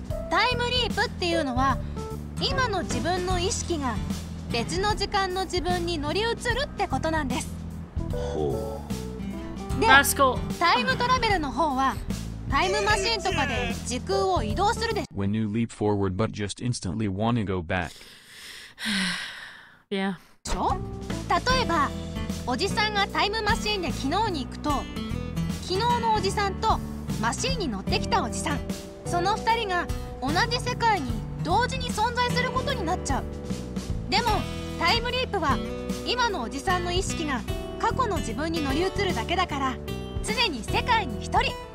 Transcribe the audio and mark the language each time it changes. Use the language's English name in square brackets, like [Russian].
[Japanese] タイムリープっていうのは今の自分の意識が別の時間の自分に乗り移るってことなんです。ほう。でタイムトラベルの方はタイムマシンとかで時空を移動するです。 [English] When you leap forward but just instantly wanna go back. Yeah. [Japanese] 例えばおじさんがタイムマシンで昨日に行くと、昨日のおじさんとマシンに乗ってきたおじさん、その二人が同じ世界に同時に存在することになっちゃう。でもタイムリープは今のおじさんの意識が過去の自分に乗り移るだけだから、常に世界に一人。